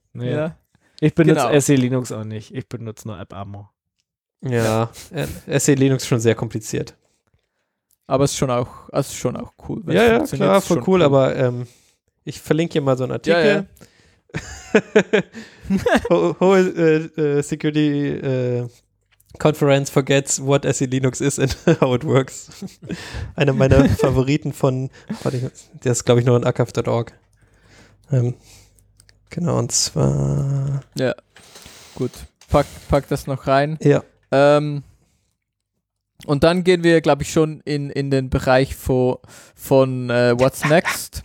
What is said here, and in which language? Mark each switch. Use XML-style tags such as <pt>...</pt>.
<de>Nee. Ja. Ich benutze SC Linux auch nicht. Ich benutze nur AppArmor. Ja, SC Linux ist schon sehr kompliziert. Aber es ist schon auch cool. Ja, ja, klar, voll cool, aber ich verlinke hier mal so einen Artikel. Ja, ja.</de> <en>Whole Security Conference forgets what SC Linux is and how it works.</en> <de>Einer meiner Favoriten von, der ist, glaube ich, nur ein akaf.org. Genau, und zwar... Ja, gut. Pack das noch rein. Ja. Und dann gehen wir, glaube ich, schon in den Bereich von What's Next.</de>